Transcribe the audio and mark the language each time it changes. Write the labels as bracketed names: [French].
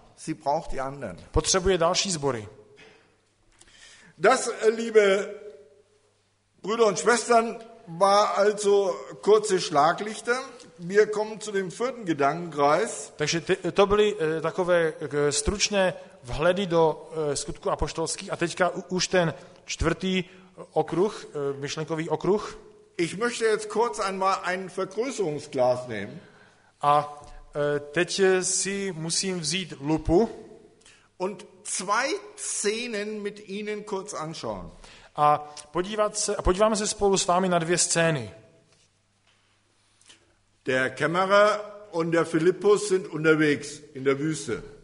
[German] Sie braucht die anderen. [Czech] Potřebuje další sbory. [German] Das, liebe Brüder und Schwestern, war also kurze Schlaglichter. Wir kommen zu dem vierten Gedankenkreis. [Czech] Takže to byly takové stručné vhledy do skutku apoštolských a teďka už ten čtvrtý okruh, myšlenkový okruh. [German] Ich möchte jetzt kurz einmal ein Vergrößerungsglas nehmen. [Czech] A teď si musím vzít lupu [German] und zwei Szenen mit Ihnen kurz anschauen. [Czech] A podívat se, a podíváme se spolu s vámi na dvě scény. [German] Der Kämmerer und der Philippus sind unterwegs in der Wüste.